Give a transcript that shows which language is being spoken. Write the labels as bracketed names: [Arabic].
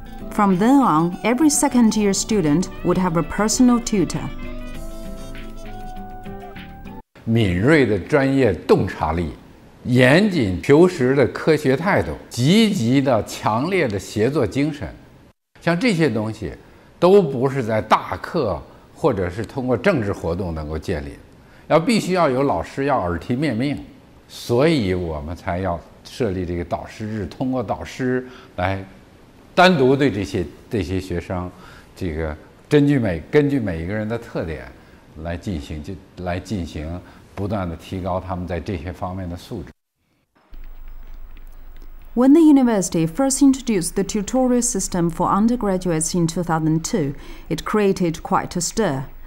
[English] From then on, every second-year student would have a personal tutor. [Chinese] 敏锐的专业洞察力。严谨、求实的科学态度，积极的、强烈的协作精神，像这些东西，都不是在大课或者是通过政治活动能够建立，要必须要有老师要耳提面命。所以我们才要设立这个导师制，通过导师来单独对这些学生，这个根据每一个人的特点来进行不断的提高他们在这些方面的素质。 [English] When the university first introduced the tutorial system for undergraduates in 2002, it created quite a stir.